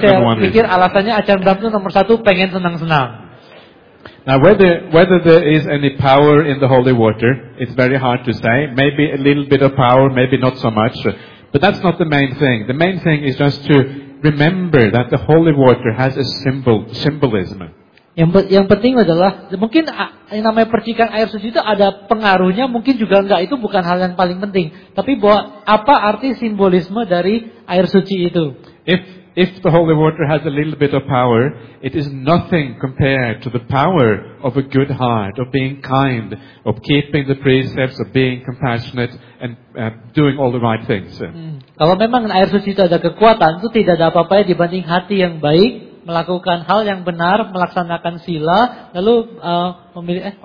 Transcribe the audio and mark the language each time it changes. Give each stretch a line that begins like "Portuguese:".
Indonesian: Jadi saya pikir alasannya Ajahn Brahm itu nomor satu pengen senang-senang.
English: Now whether there is any power in the holy water, it's very hard to say. Maybe a little bit of power, maybe not so much. But that's not the main thing. The main thing is just to remember that the holy water has a symbolism.
Indonesian: Yang penting adalah mungkin yang namanya percikan air suci itu ada pengaruhnya, mungkin juga enggak, itu bukan hal yang paling penting. Tapi bahwa apa arti simbolisme dari air suci itu?
English: If the holy water has a little bit of power, it is nothing compared to the power of a good heart, of being kind, of keeping the precepts, of being compassionate, and doing all the right things.
Indonesian: Kalau memang air suci itu ada kekuatan, itu tidak ada apa-apanya dibanding hati yang baik, melakukan hal yang benar, melaksanakan sila, lalu memilih.